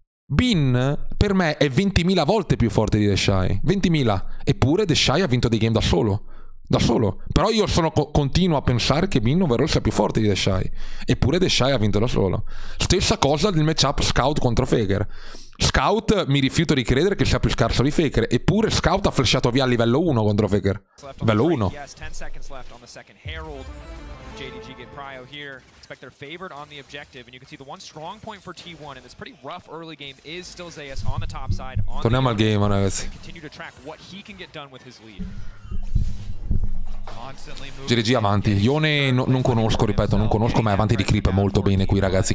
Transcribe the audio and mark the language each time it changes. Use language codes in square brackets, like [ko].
[it] Bin per me è 20.000 volte più forte di The Shy, 20.000, eppure The Shy ha vinto dei game da solo, però io continuo a pensare che Bin overall sia più forte di The Shy, eppure The Shy ha vinto da solo. Stessa cosa del matchup Scout contro Faker. Scout mi rifiuto di credere che sia più scarso di Faker, eppure Scout ha flashato via a livello 1 contro Faker. Livello 1. [en] Yes, 10 seconds left on the second Herald. JDG get prio here. Expect their favorite on the objective and you can see the one strong point for T1 in this pretty rough early game is still Zeus on the top side. [it] Torniamo al game, ragazzi. [en] Continue to track what he can get done with his lead. [it] GDG avanti. Yone non conosco, ripeto, non conosco, ma è avanti di creep molto bene qui, ragazzi.